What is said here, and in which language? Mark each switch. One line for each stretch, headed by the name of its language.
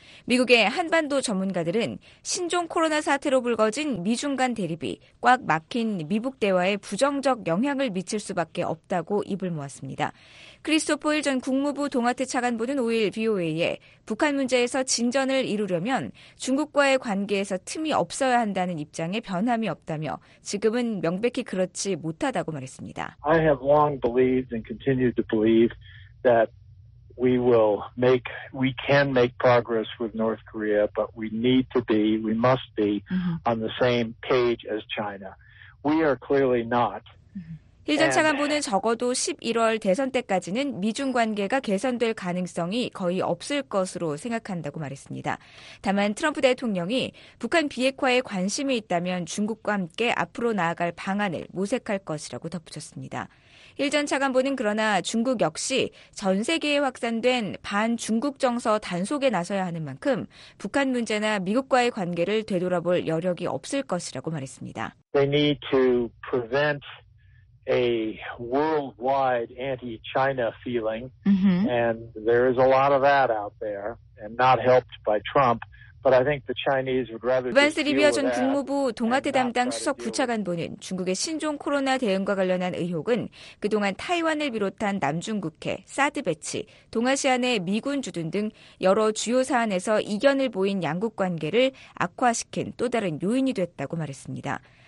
Korean: 미국의 한반도 전문가들은 신종 코로나 사태로 불거진 미중 간 대립이 꽉 막힌 미북 대화에 부정적 영향을 미칠 수밖에 없다고 입을 모았습니다. 크리스토퍼 힐 전 국무부 동아태 차관보는 5일 VOA에 북한 문제에서 진전을 이루려면 중국과의 관계에서 틈이 없어야 한다는 입장에 변함이 없다며 지금은 명백히 그렇지 못하다고 말했습니다.
English: I have long believed and continue to believe that we can make progress with North Korea, but we need to be, we must be on the same page as China. We are clearly not.
Korean: 힐 전 차관보는 적어도 11월 대선 때까지는 미중 관계가 개선될 가능성이 거의 없을 것으로 생각한다고 말했습니다. 다만 트럼프 대통령이 북한 비핵화에 관심이 있다면 중국과 함께 앞으로 나아갈 방안을 모색할 것이라고 덧붙였습니다. 힐 전 차관보는 그러나 중국 역시 전 세계에 확산된 반중국 정서 단속에 나서야 하는 만큼 북한 문제나 미국과의 관계를 되돌아볼 여력이 없을 것이라고 말했습니다.
English: They need to prevent a worldwide anti-China feeling, and there is a lot of that out there, and not helped by Trump. But I think the Chinese would rather.
Korean: 루반스 리비어 전 국무부 동아태 담당 수석 부차관보는 중국의 신종 코로나 대응과 관련한 의혹은 그동안 타이완을 비롯한 남중국해, 사드 배치, 동아시아 내 미군 주둔 등 여러 주요 사안에서 이견을 보인 양국 관계를 악화시킨 또 다른 요인이 됐다고 말했습니다.